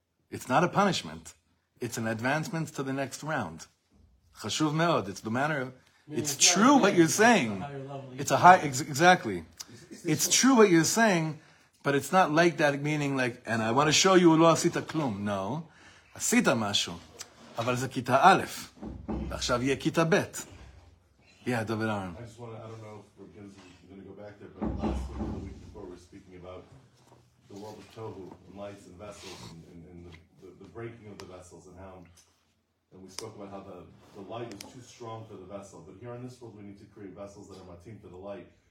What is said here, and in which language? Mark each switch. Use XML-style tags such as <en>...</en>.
<en>It's not a punishment. It's an advancement to the next round.</en> <he>Chashuv meod,</he> <en>it's the manner of... It's true what you're saying. Exactly. It's true what you're saying, but it's not like that meaning like, and I want to show you</en> <he>lo asita klum.</he> <en>No.</en> <he>Asita mashu. אבל זה כיתה א', ועכשיו יהיה כיתה ב'.</he> <en>Yeah, David Aaron. I don't know if we're going to go back there, but last week before we're speaking about the world of Tohu, and lights and vessels, and the breaking of the vessels, and we spoke about how the light is too strong for the vessel, but here in this world we need to create vessels that are matim for the light.</en>